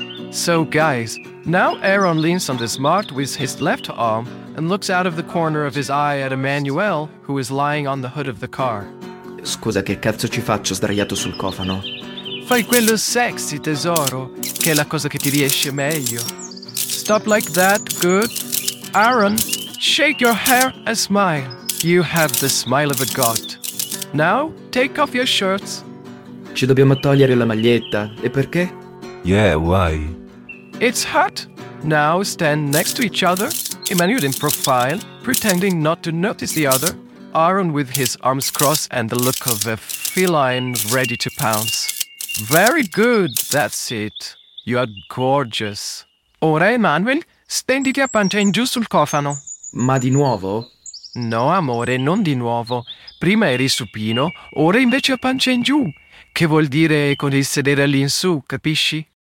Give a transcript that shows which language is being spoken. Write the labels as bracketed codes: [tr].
[en] So, guys, now Aaron leans on the smart with his left arm and looks out of the corner of his eye at Emmanuel, who is lying on the hood of the car. [it] Scusa, che cazzo ci faccio sdraiato sul cofano? Fai quello sexy, tesoro, che è la cosa che ti riesce meglio. [en] Stop like that, good. Aaron, shake your hair and smile. You have the smile of a god. Now, take off your shirts. [it] Ci dobbiamo togliere la maglietta, e perché? [en] Yeah, why? It's hot. Now stand next to each other, Emmanuel in profile, pretending not to notice the other, Aaron with his arms crossed and the look of a feline ready to pounce. Very good, that's it. You are gorgeous. [it] Ora, Emmanuel, stenditi a pancia in giù sul cofano. Ma di nuovo? No, amore, non di nuovo. Prima eri supino, ora invece a pancia in giù. Che vuol dire con il sedere all'insù, capisci?